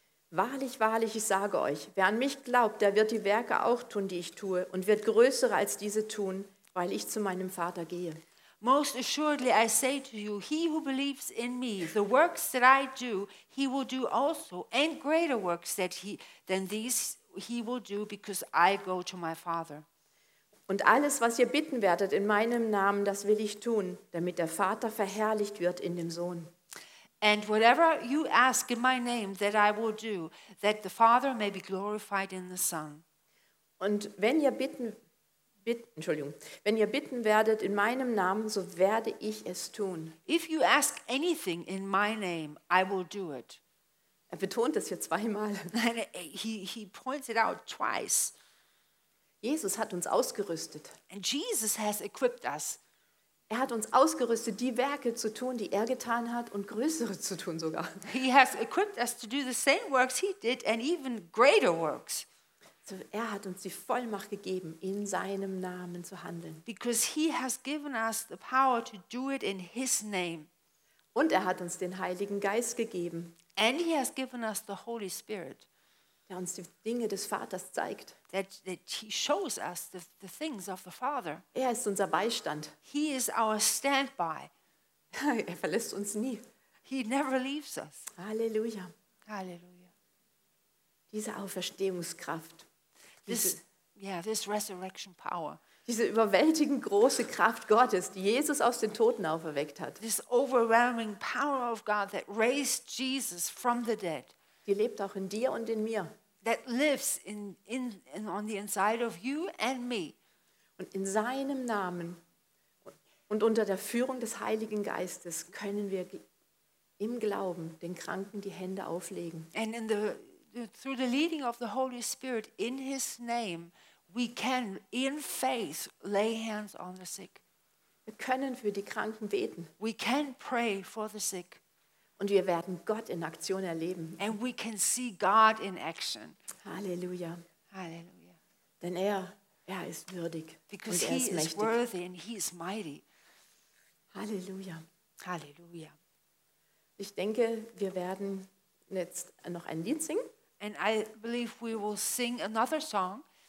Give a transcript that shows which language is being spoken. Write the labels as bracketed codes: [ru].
[de] wahrlich, wahrlich, ich sage euch, wer an mich glaubt, der wird die Werke auch tun, die ich tue, und wird größere als diese tun, weil ich zu meinem Vater gehe. [en] Most assuredly I say to you, he who believes in me, the works that I do, he will do also, and greater works that he, than these he will do, because I go to my Father. [de] Und alles, was ihr bitten werdet in meinem Namen, das will ich tun, damit der Vater verherrlicht wird in dem Sohn. [en] And whatever you ask in my name, that I will do, that the Father may be glorified in the Son. [de] Und wenn ihr bitten werdet in meinem Namen, so werde ich es tun. [en] If you ask anything in my name, I will do it. [de] Er betont es hier zweimal. [en] He points it out twice. [de] Jesus hat uns ausgerüstet. [en] And Jesus has equipped us. [de] Er hat uns ausgerüstet, die Werke zu tun, die er getan hat, und größere zu tun sogar. [en] He has equipped us to do the same works he did and even greater works. [de] So, er hat uns die Vollmacht gegeben, in seinem Namen zu handeln. [en] Because he has given us the power to do it in his name. [de] Und er hat uns den Heiligen Geist gegeben. [en] And he has given us the Holy Spirit. [de] Der uns die Dinge des Vaters zeigt. [en] That he shows us the things of the Father. [de] Er ist unser Beistand. [en] He is our standby. [de] Er verlässt uns nie. [en] He never leaves us. Halleluja. Halleluja. [de] Diese Auferstehungskraft. [en] This resurrection power. [de] Diese überwältigend große Kraft Gottes, die Jesus aus den Toten auferweckt hat. [en] This overwhelming power of God that raised Jesus from the dead. [de] Die lebt auch in dir und in mir. [en] That lives in on the inside of you and me. [de] Und in seinem Namen und unter der Führung des Heiligen Geistes können wir im Glauben den Kranken die Hände auflegen. [en] And in the through the leading of the Holy Spirit in his name, we can in faith lay hands on the sick. [de] Wir können für die Kranken beten. [en] We can pray for the sick. [de] Und wir werden Gott in Aktion erleben. [en] And we can see God in action. Halleluja. Halleluja. [de] Denn er ist würdig. [en] Because [de] und er ist [en] he [de] mächtig. [en] Is worthy and he is mighty. Halleluja. Halleluja. [de] Ich denke, wir werden jetzt noch ein Lied singen. [en] And I believe we will sing another song.